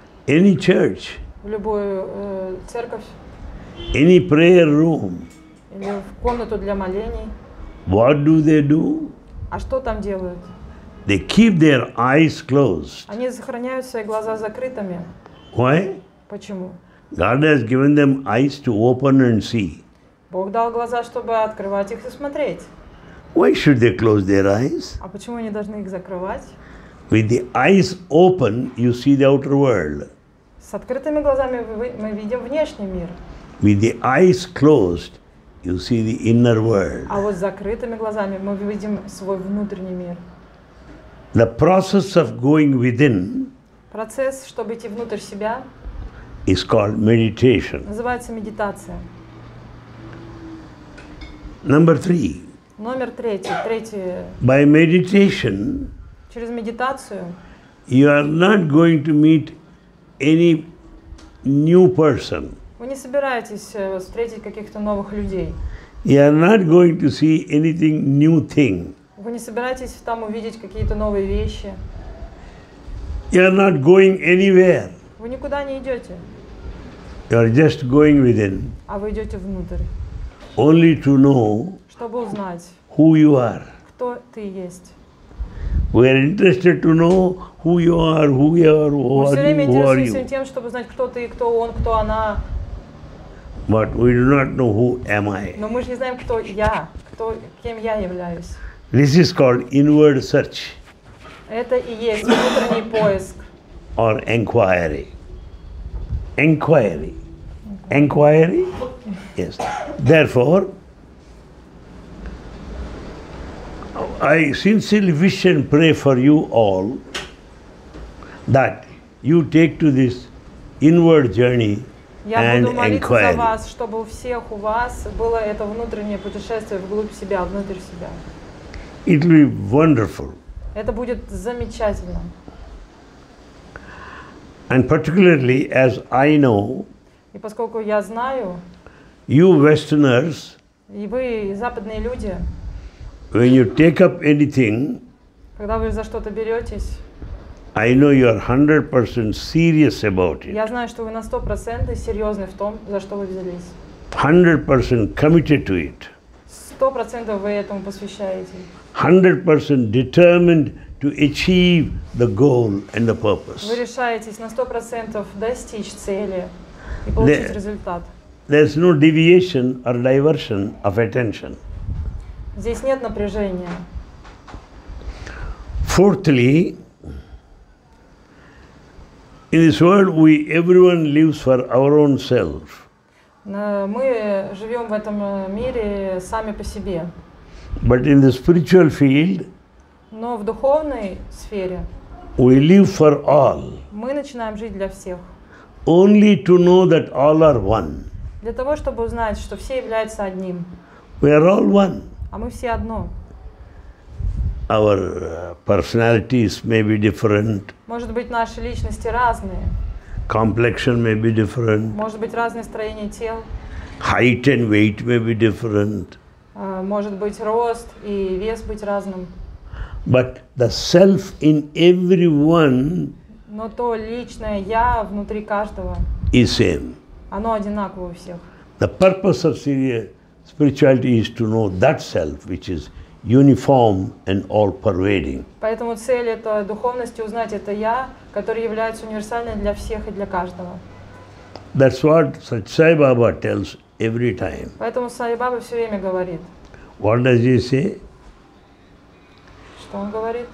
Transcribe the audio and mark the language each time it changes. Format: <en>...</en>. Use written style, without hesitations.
<en>Any church.</en> <ru>В любую церковь.</ru> <en>Any prayer room.</en> <ru>Или в комнату для молений.</ru> <en>What do they do?</en> <ru>А что там делают?</ru> <en>They keep their eyes closed.</en> <ru>Они сохраняют свои глаза закрытыми.</ru> <en>Why?</en> <ru>Почему?</ru> <en>God has given them eyes to open and see.</en> <ru>Бог дал глаза, чтобы открывать их и смотреть.</ru> <en>Why should they close their eyes?</en> <ru>А почему они должны их закрывать?</ru> <en>With the eyes open, you see the outer world.</en> <ru>С открытыми глазами мы видим внешний мир.</ru> <en>With the eyes closed, you see the inner world.</en> <ru>А вот с закрытыми глазами мы видим свой внутренний мир.</ru> <en>The process of going within.</en> <ru>Процесс, чтобы идти внутрь себя.</ru> <en>Is called meditation.</en> <ru>Называется медитация.</ru> <en>Number three.</en> <ru>Номер третий.</ru> <en>By meditation.</en> <ru>Через медитацию.</ru> <en>You are not going to meet any new person.</en> <ru>Вы не собираетесь встретить каких-то новых людей.</ru> <en>You are not going to see anything new thing.</en> <ru>Вы не собираетесь там увидеть какие-то новые вещи.</ru> <en>You are not going anywhere.</en> <ru>Вы никуда не идете.</ru> <en>You are just going within.</en> <ru>А вы идете внутрь.</ru> <en>Only to know.</en> <ru>Чтобы узнать.</ru> <en>Who you are.</en> <ru>Кто ты есть.</ru> <en>We are interested to know who you are, who you are, who are you, who are you.</en> <ru>Тем, чтобы знать, кто ты, кто он, кто она.</ru> <en>But we do not know who am I.</en> <ru>Но мы же не знаем, кто я, кем я являюсь.</ru> <en>This is called inward search.</en> <ru>Это и есть внутренний поиск.</ru> <en>Or inquiry. Inquiry. Inquiry? Yes. Therefore, I sincerely wish and pray for you all that you take to this inward journey and inquire.</en> <ru>Я буду молиться за вас, чтобы у всех у вас было это внутреннее путешествие вглубь себя, внутрь себя.</ru> <en>It will be wonderful.</en> <ru>Это будет замечательно.</ru> <en>And particularly, as I know,</en> <ru>и поскольку я знаю,</ru> <en>you Westerners,</en> <ru>и вы западные люди.</ru> <en>When you take up anything,</en> <ru>когда вы за что-то беретесь,</ru> <en>I know you are 100% serious about it.</en> <ru>Я знаю, что вы на 100% серьезны в том, за что вы взялись.</ru> <en>100% committed to it.</en> <ru>100% вы этому посвящаете.</ru> <en>100% determined to achieve the goal and the purpose.</en> <ru>Вы решаетесь на 100% достичь цели и получить результат.</ru> <en>There's no deviation or diversion of attention.</en> <ru>Здесь нет напряжения.</ru> <en>Fourthly, In this world, we everyone lives for our own self.</en> <ru>Мы живем в этом мире сами по себе.</ru> <en>But in the spiritual field,</en> <ru>но в духовной сфере,</ru> <en>we live for all.</en> <ru>Мы начинаем жить для всех.</ru> <en>Only to know that all are one.</en> <ru>Для того, чтобы узнать, что все являются одним.</ru> <en>We are all one.</en> <ru>А мы все одно.</ru> <en>Our personalities may be different.</en> <ru>Может быть, наши личности разные.</ru> <en>Complexion may be different.</en> <ru>Может быть, разное строение тел.</ru> <en>Height and weight may be different.</en> <ru>Может быть, рост и вес быть разным.</ru> <en>But the self in everyone.</en> <ru>Но то личное я внутри каждого.</ru> <en>Is same.</en> <ru>Оно одинаково у всех.</ru> <en>The purpose of spirituality is to know that self which is uniform and all-pervading.</en> <ru>Поэтому цель этой духовности узнать это я, который является универсальным для всех и для каждого.</ru> <en>That's what Sai Baba tells every time.</en> <ru>Поэтому Сай Баба все время говорит.</ru> <en>What does he say?</en> <ru>Что он говорит?</ru>